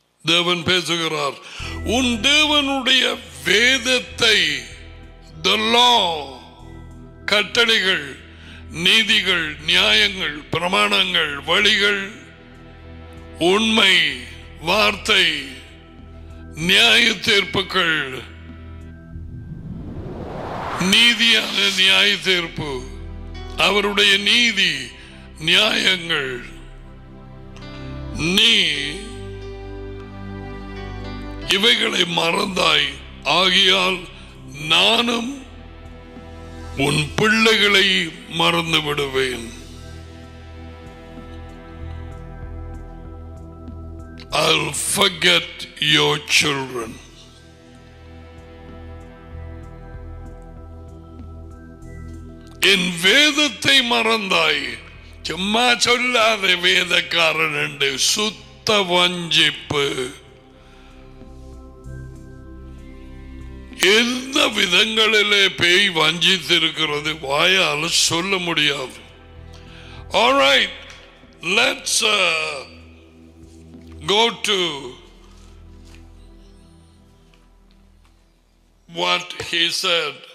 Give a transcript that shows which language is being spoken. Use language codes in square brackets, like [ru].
[ta] தேவன் பேசுகிறார், உன் தேவனுடைய வேதத்தை, the law, கட்டளைகள், நீதிகள், நியாயங்கள், பிரமாணங்கள், வழிகள், உண்மை, வார்த்தை, நியாய தீர்ப்புகள், நீதியான நியாய தீர்ப்பு, அவருடைய நீதி நியாயங்கள், நீ இவைகளை மறந்தாய், ஆகையால் நானும் உன் பிள்ளைகளை மறந்து விடுவேன். [en] I'll forget your children. [ta] என் வேதத்தை மறந்தாய், சும்மா சொல்லாத வேதக்காரன் உண்டு, சுத்த வஞ்சிப்பு. எந்த விதங்களிலே பேய் வஞ்சித்திருக்கிறது வாயால் சொல்ல முடியாது. [en] All right, let's go to what he said.